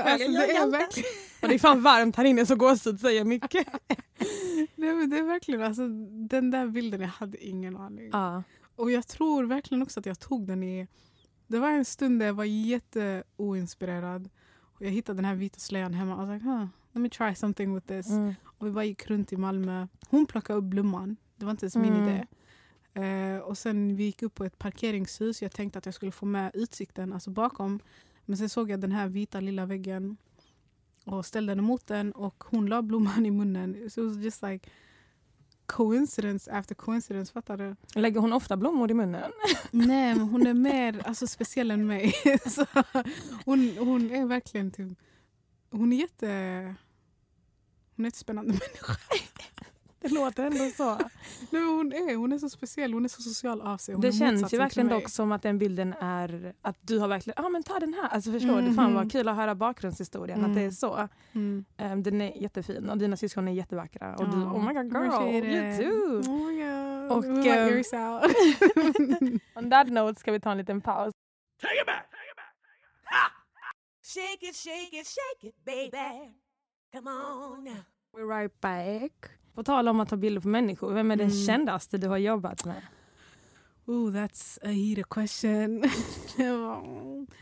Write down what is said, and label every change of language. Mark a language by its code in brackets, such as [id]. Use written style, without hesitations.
[sv] Alltså, det är verkligen. Och det är fan varmt här inne så gåshud säger mycket. Nej, men det är verkligen. Alltså, den där bilden, jag hade ingen aning. Ja. Och jag tror verkligen också att jag tog den i... Det var en stund där jag var jätteoinspirerad. Och jag hittade den här vita slöjan hemma. Och jag sa, [en] let me try something with this. [sv] Och vi bara gick runt i Malmö. Hon plockade upp blomman. Det var inte ens min idé. Och sen vi gick upp på ett parkeringshus. Jag tänkte att jag skulle få med utsikten, alltså bakom. Men sen såg jag den här vita lilla väggen. Och ställde den emot den. Och hon la blomman i munnen. [en] So it was just like coincidence after coincidence, [sv] fattar du? Lägger hon ofta blommor i munnen? Nej, men hon är mer alltså, speciell än mig. Så, hon är verkligen typ... Hon är jätte... Hon är ett spännande människa. Det låter ändå så. Nej, men hon är så speciell. Hon är så social av sig. Hon det känns ju verkligen dock som att den bilden är... Att du har verkligen... Ja, ah, men ta den här. Alltså förstår du? Fan vad kul att höra bakgrundshistorien. Att det är så. Den är jättefin. Och dina syskon är jättevackra. Och du... [en] Oh my god, girl. You too. Oh my god. [sv] Och, [en] we'll on that note [sv] ska vi ta en liten paus. [en] Take it back! Take it back! Shake it, shake it, baby. Come on. We're right back. [sv] Och tala om att ta bilder på människor. Vem är den kändaste du har jobbat med? [en] Oh, that's a heated question.